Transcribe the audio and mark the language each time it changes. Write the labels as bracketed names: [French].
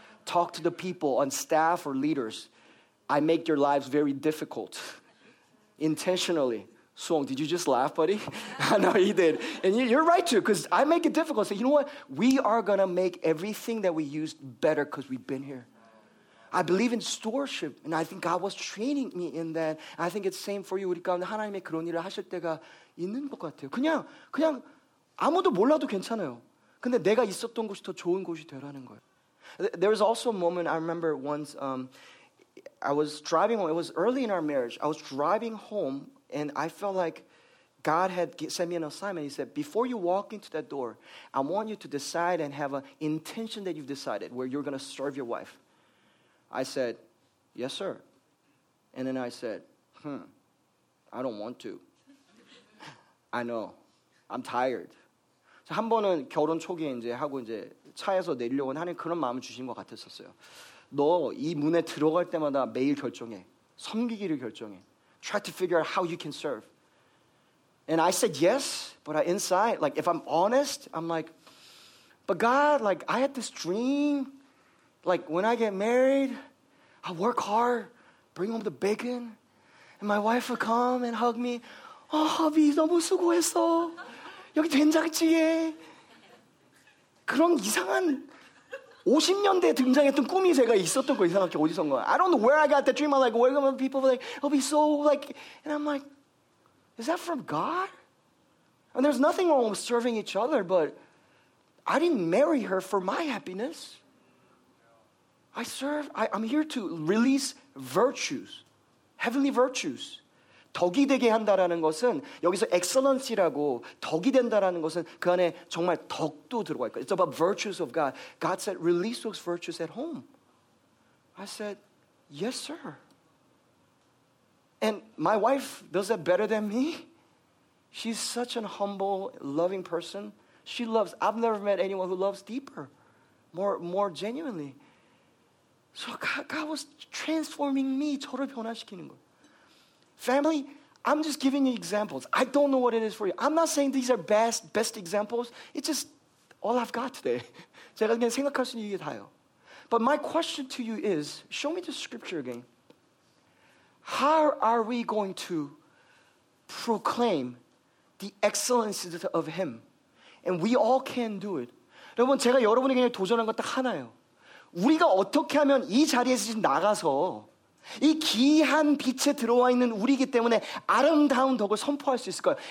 [English] Talk to the people on staff or leaders. I make your lives very difficult. Intentionally. Song, did you just laugh, buddy? No, he did. And you're right too, because I make it difficult. So you know what, we are going to make everything that we use better because we've been here. I believe in stewardship, and I think God was training me in that. I think it's same for you. [Korean] 우리 가운데 하나님의 그런 일을 하실 때가 있는 것 같아요. 그냥 아무도 몰라도 괜찮아요. 근데 내가 있었던 곳이 더 좋은 곳이 되라는 거예요. [English] There was also a moment I remember once. I was driving home. It was early in our marriage. I was driving home, and I felt like God had sent me an assignment. He said, before you walk into that door, I want you to decide and have an intention that you've decided where you're going to serve your wife. I said, yes, sir. And then I said, I don't want to. I know. I'm tired. [Korean] 한 번은 결혼 초기에 이제 하고 이제 차에서 내리려고 하는 그런 마음을 주신 것 같았었어요. 너 이 문에 들어갈 때마다 매일 결정해. 섬기기를 결정해. [English] Try to figure out how you can serve. And I said, yes, but inside, like if I'm honest, I'm like, but God, like I had this dream. Like, when I get married, I work hard, bring home the bacon, and my wife will come and hug me. Oh, hubby, [Korean] 너무 수고했어. 여기 된장찌개. 그런 이상한 50년대에 등장했던 꿈이 제가 있었던 거 이상하게 어디선가. [English] I don't know where I got that dream. I'm like, welcome to people. Like, I'll be so, like, and I'm like, is that from God? And there's nothing wrong with serving each other, but I didn't marry her for my happiness. I serve, I'm here to release virtues, heavenly virtues. [Korean] 덕이 되게 한다라는 것은, 여기서 excellency라고 덕이 된다라는 것은 그 안에 정말 덕도 들어가 있고. [English] It's about virtues of God. God said, release those virtues at home. I said, yes, sir. And my wife does that better than me. She's such an humble, loving person. She loves, I've never met anyone who loves deeper, more genuinely. So God was transforming me, [Korean] 저를 변화시키는 거. [English] Family, I'm just giving you examples. I don't know what it is for you. I'm not saying these are best examples. It's just all I've got today. [Korean] 제가 그냥 생각할 수 있는 이게 다예요. [English] But my question to you is, show me the scripture again. How are we going to proclaim the excellencies of him. And we all can do it. [Korean] 여러분, 제가 여러분에게 그냥 도전한 것 딱 하나예요. 우리가 어떻게 하면 이 자리에서 지금 나가서 이 기이한 빛에 들어와 있는 우리이기 때문에 아름다운 덕을 선포할 수 있을까요?